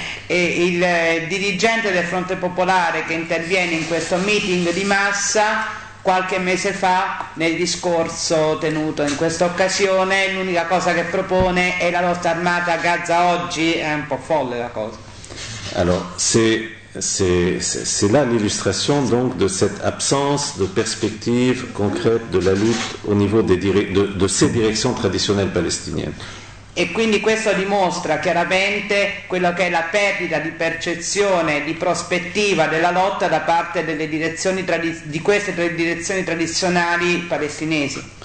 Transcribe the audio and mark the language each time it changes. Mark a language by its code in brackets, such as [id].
[it] E il dirigente del Fronte Popolare che interviene in questo meeting di massa qualche mese fa, nel discorso tenuto in questa occasione, l'unica cosa che propone è la lotta armata a Gaza oggi. È un po' folle la cosa. [fr] Alors, c'est là l'illustration donc de cette absence de perspective concrète de la lutte au niveau de ces directions traditionnelles palestiniennes. [it] E quindi questo dimostra chiaramente quello che è la perdita di percezione, di prospettiva della lotta da parte delle direzioni di queste tre direzioni tradizionali palestinesi.